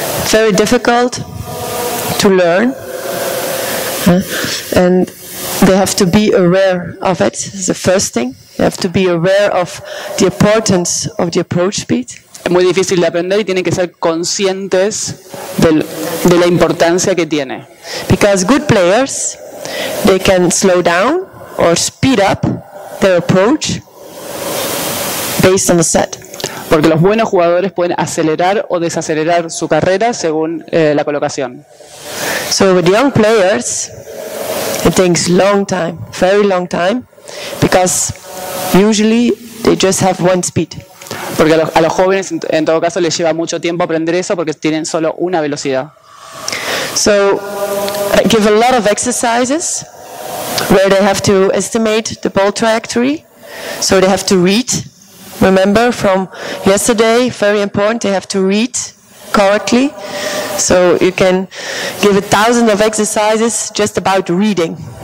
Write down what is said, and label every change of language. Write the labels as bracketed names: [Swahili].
[English] Very difficult to learn, and they have to be aware of it. It's the first thing. They have to be aware of the importance of the approach speed. [Spanish] Es muy difícil de aprender y tienen que ser conscientes de la importancia que tiene. [English] Because good players, they can slow down or speed up their approach based on the set. [Spanish] Porque los buenos jugadores pueden acelerar o desacelerar su carrera según la colocación. [English] So with young players, it takes long time, very long time, because usually they just have one speed. [Spanish] Porque a los jóvenes en todo caso les lleva mucho tiempo aprender eso porque tienen solo una velocidad. [English] So I give a lot of exercises where they have to estimate the ball trajectory, so they have to read. Remember from yesterday, very important, they have to read correctly. So you can give a thousand of exercises just about reading.